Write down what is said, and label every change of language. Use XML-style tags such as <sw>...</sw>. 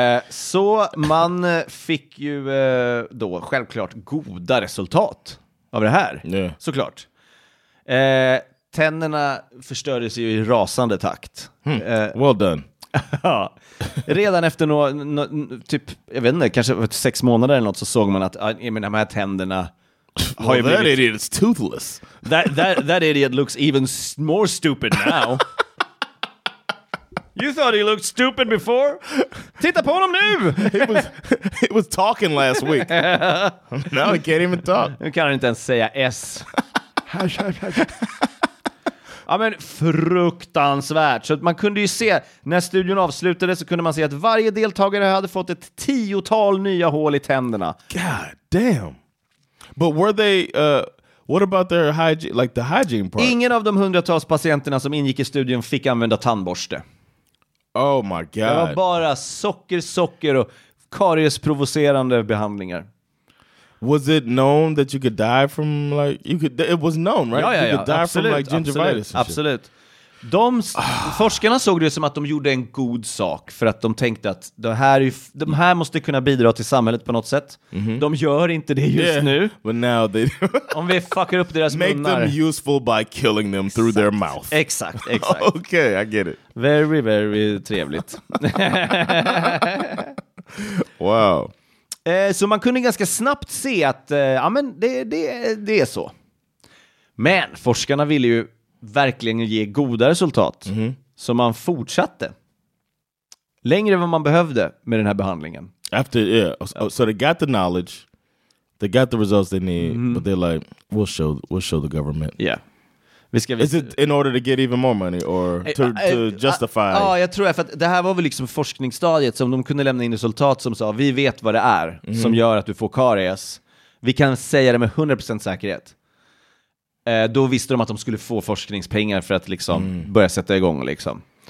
<sv>Så man fick ju då självklart goda resultat av det här.</sv> <en>Yeah.</en> <sv>Såklart. Tänderna förstördes ju i rasande takt.</sv> <en>Hmm. Well done.</en> <sv>Redan efter typ, jag vet inte, kanske 6 månader eller något, så såg man att de här tänderna har</sv> <en>well,</en> <sv>ju</sv> <en>that idiot is toothless. That idiot looks even more stupid now. You thought he looked stupid before?</en> <sv>Titta på honom nu!</sv> <en>He was talking last week. Now he can't even talk.</en> <sv>Nu kan han inte ens säga S. Ja, men fruktansvärt. Så att man kunde ju se, när studion avslutades, så kunde man se att varje deltagare hade fått ett tiotal nya hål i tänderna.</sv> <en>God damn. But were they... What about their hygiene, like the hygiene part?</en> <sv>Ingen av de hundratals patienterna som ingick i studien fick använda tandborste.</sv> <en>Oh my god.</en> <sv>Det var bara socker och kariesprovocerande behandlingar.</sv> <en>Was it known that you could die from like you could it was known, right?</en> <sv>Ja,</sv> <en>you could die</en> <sv>absolut,</sv> <en>from like gingivitis. And</en> <sv>absolut.</sv> <en>Shit.</en> <sv>De forskarna såg det som att de gjorde en god sak, för att de tänkte att de här måste kunna bidra till samhället på något sätt. Mm-hmm. De gör inte det just nu.</sv> <en>But now they</en> <sv>om vi fuckar upp deras</sv> <en>make</en> <sv>munnar.</sv> <en>Make them useful by killing them through their mouth.</en> <sv>Exakt.</sv> <en>Okay, I get it. Very, very</en> <sv>trevligt.</sv> <en>Wow.</en> <sv>Så man kunde ganska snabbt se att ja, men det är så. Men forskarna ville ju verkligen ge goda resultat. Så man fortsatte längre än vad man behövde med den här behandlingen.</sv> <en>After, so they got the knowledge, they got the results they need, but they're like, we'll show the government. Yeah. Is it in order to get even more money or to justify?</en> <sv>Ja, jag tror att det här var väl liksom forskningsstadiet som de kunde lämna in resultat som sa vi vet vad det är som gör att du får karies. Vi kan säga det med 100% säkerhet. Då visste de att de skulle få forskningspengar för att liksom börja sätta igång liksom.</sv>